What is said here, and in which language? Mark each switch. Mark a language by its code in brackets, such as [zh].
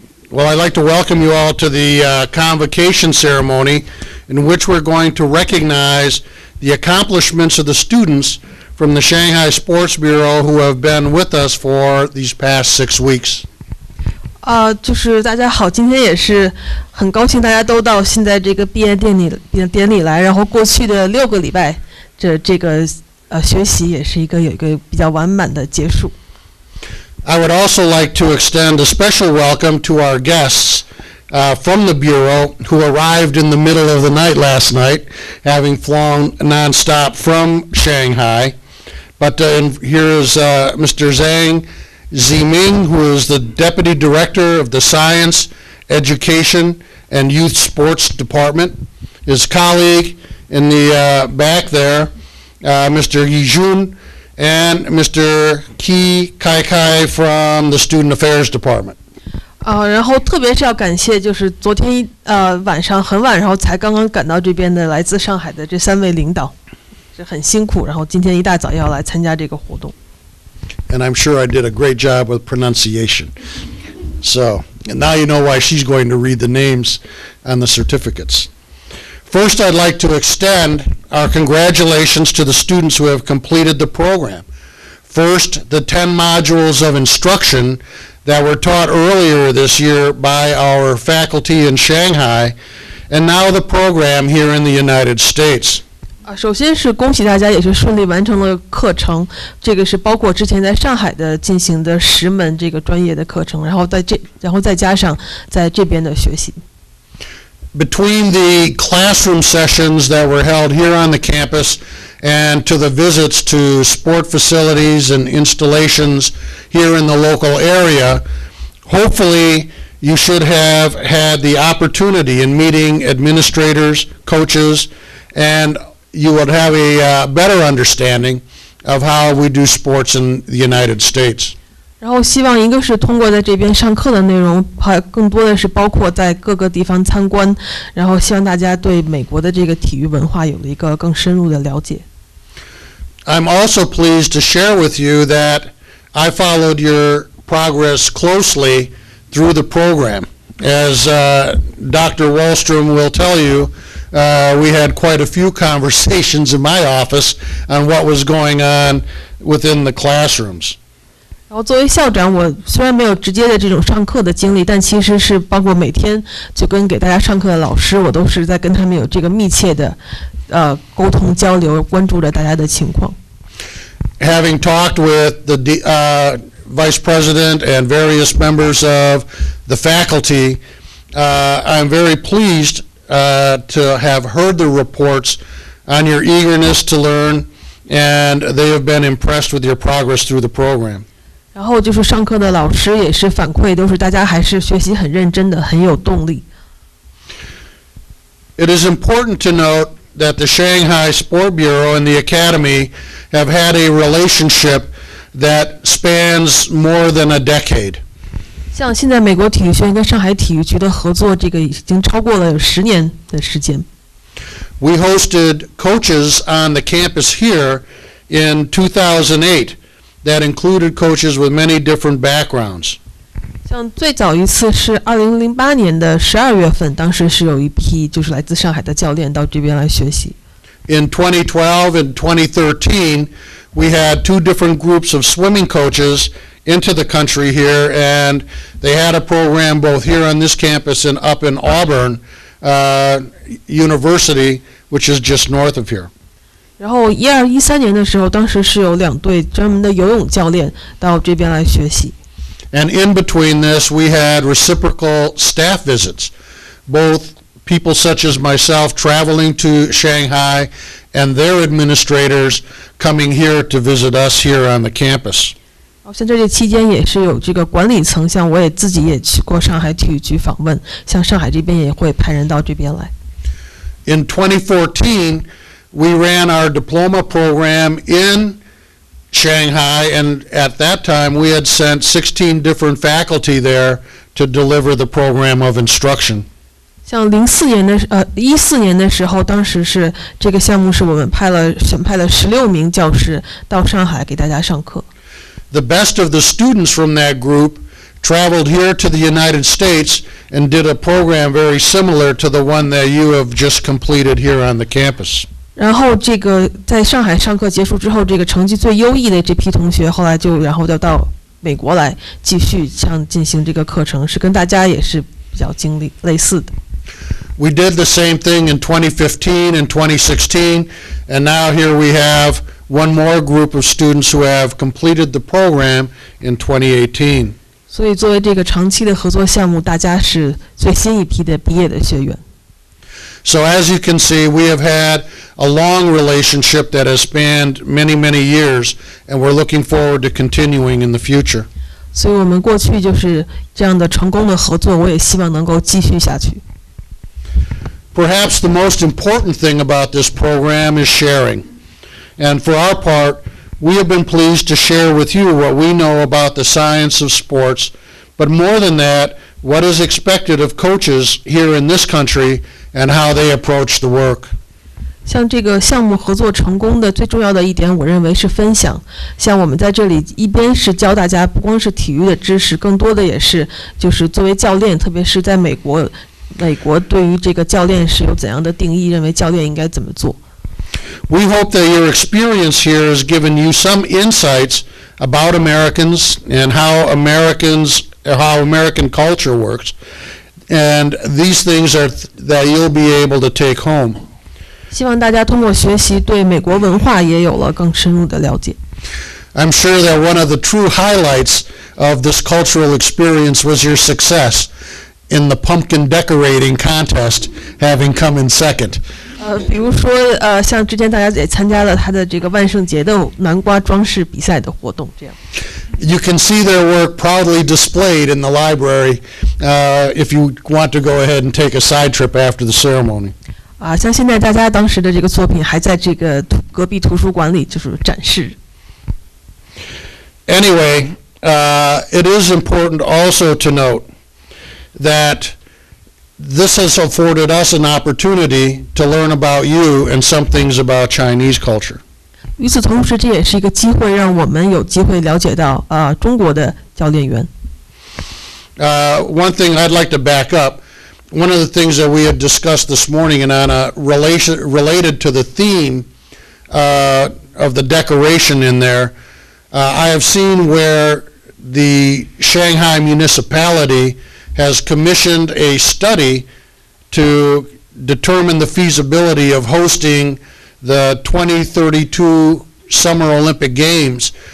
[en] Well, I'd like to welcome you all to the convocation ceremony in which we're going to recognize the accomplishments of the students from the Shanghai Sports Bureau who have been with us for these past 6 weeks. [zh] 就是大家好，今天也是很高兴大家都到现在这个毕业典礼来，然后过去的六个礼拜这个学习也是一个有一个比较完满的结束。 [en] I would also like to extend a special welcome to our guests from the Bureau who arrived in the middle of the night last night, having flown nonstop from Shanghai. But here is Mr. Zhang, Zhiming, who is the Deputy Director of the Science, Education, and Youth Sports Department. His colleague in the back there, Mr. Yijun, and Mr. Ki Kaikai from the Student Affairs Department. [zh] 然后特别是要感谢就是昨天晚上很晚然后才刚刚赶到这边的来自上海的这三位领导是很辛苦然后今天一大早要来参加这个活动。 [en] And I'm sure I did a great job with pronunciation. So, and now you know why she's going to read the names and the certificates. First, I'd like to extend our congratulations to the students who have completed the program. First, the 10 modules of instruction that were taught earlier this year by our faculty in Shanghai, and now the program here in the United States. [zh] 首先是恭喜大家也是顺利完成了课程，这个是包括之前在上海的进行的十门这个专业的课程，然后再加上在这边的学习。 [en] Between the classroom sessions that were held here on the campus and to the visits to sport facilities and installations here in the local area, hopefully you should have had the opportunity in meeting administrators, coaches, and you would have a better understanding of how we do sports in the United States. [zh] 然后希望一个是通过在这边上课的内容还更多的是包括在各个地方参观然后希望大家对美国的这个体育文化有了一个更深入的了解 [en] I'm also pleased to share with you that I followed your progress closely through the program as Dr. Wallstrom will tell you we had quite a few conversations in my office on what was going on within the classrooms [zh] 然后作为校长，我虽然没有直接的这种上课的经历，但其实是包括每天就跟给大家上课的老师，我都是在跟他们有这个密切的，沟通交流，关注着大家的情况。 [en] Having talked with the vice president and various members of the faculty, I'm very pleased to have heard the reports on your eagerness to learn, and they have been impressed with your progress through the program. [zh] 然后就是上课的老师也是反馈，都是大家还是学习很认真的，很有动力。 [en] It is important to note that the Shanghai Sport Bureau and the Academy have had a relationship that spans more than a decade. [zh] 像现在美国体育学院跟上海体育局的合作，这个已经超过了十年的时间。 [en] We hosted coaches on the campus here in 2008. That included coaches with many different backgrounds. [zh] 像最早一次是2008年的12月份，当时是有一批就是来自上海的教练到这边来学习。 [en] In 2012 and 2013, we had two different groups of swimming coaches into the country here, and they had a program both here on this campus and up in Auburn University, which is just north of here. [zh] 然后2012-2013年的时候，当时是有两队专门的游泳教练到这边来学习。 [en] And in between this, we had reciprocal staff visits, both people such as myself traveling to Shanghai and their administrators coming here to visit us here on the campus. [zh] 像这期间也是有这个管理层，像我也自己也去过上海体育局访问，像上海这边也会派人到这边来。 [en] In 2014,We ran our diploma program in Shanghai, and at that time we had sent 16 different faculty there to deliver the program of instruction. [zh] 像2014年的时候，当时是这个项目是我们派了16名教师到上海给大家上课。 [en] the best of the students from that group traveled here to the United States and did a program very similar to the one that you have just completed here on the campus. [zh] 然后这个在上海上课结束之后，这个成绩最优异的这批同学后来就然后就到美国来继续像进行这个课程，是跟大家也是比较经历类似的。 [en] We did the same thing in 2015 and 2016, and now here we have one more group of students who have completed the program in 2018. [zh] 所以作为这个长期的合作项目，大家是最新一批的毕业的学员。 [en] So as you can see, we have had a long relationship that has spanned many, many years, and we're looking forward to continuing in the future. [zh] 所以我们过去就是这样的成功的合作，我也希望能够继续下去。 [en] Perhaps the most important thing about this program is sharing. And for our part, we have been pleased to share with you what we know about the science of sports, but more than that, what is expected of coaches here in this country and how they approach the work. [zh] 像这个项目合作成功的最重要的一点，我认为是分享。像我们在这里一边是教大家不光是体育的知识，更多的也是就是作为教练，特别是在美国。美国对于这个教练是有怎样的定义？认为教练应该怎么做 [en] ？We hope that your experience here has given you some insights about Americans and how American culture works, and these things are that you'll be able to take home. [zh] 希望大家通过学习对美国文化也有了更深入的了解。 [en] I'm sure that one of the true highlights of this cultural experience was your success. In the pumpkin decorating contest, having come in second. [zh] 比如说，像之前大家也参加了他的这个万圣节的南瓜装饰比赛的活动，这样。 [en] You can see their work proudly displayed in the library, if you want to go ahead and take a side trip after the ceremony. [zh] 像现在大家当时的这个作品还在这个隔壁图书馆里就是展示。 [en] Anyway, it is important also to note. That this has afforded us an opportunity to learn about you and some things about Chinese culture. [zh] 与此同时，这也是一个机会，让我们有机会了解到中国的教练员。 [en] One thing I'd like to back up. One of the things that we had discussed this morning and on a relation related to the theme of the decoration in there, I have seen where the Shanghai municipality. Has commissioned a study to determine the feasibility of hosting the 2032 Summer Olympic Games.